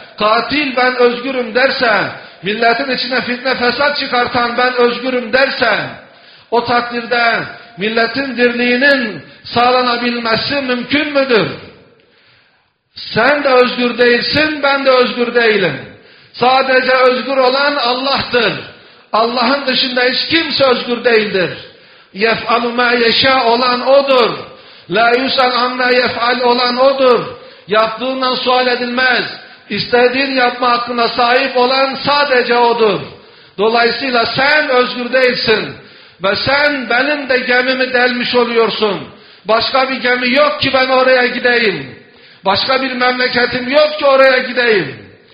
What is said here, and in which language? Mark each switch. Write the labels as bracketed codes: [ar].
[tr] katil ben özgürüm derse, milletin içine fitne fesat çıkartan ben özgürüm derse, o takdirde milletin dirliğinin sağlanabilmesi mümkün müdür? Sen de özgür değilsin, ben de özgür değilim. Sadece özgür olan Allah'tır. Allah'ın dışında hiç kimse özgür değildir. [ar] يَفْعَلُ مَا يَشَاءُ [tr] olan O'dur. [ar] لَا يُسَلْ عَمَّا يَفْعَلُ olan O'dur. [tr] Yaptığından sual edilmez. İstediğin yapma hakkına sahip olan sadece O'dur. Dolayısıyla sen özgür değilsin. Ve sen benim de gemimi delmiş oluyorsun. Başka bir gemi yok ki ben oraya gideyim. Başka bir memleketim yok ki oraya gideyim.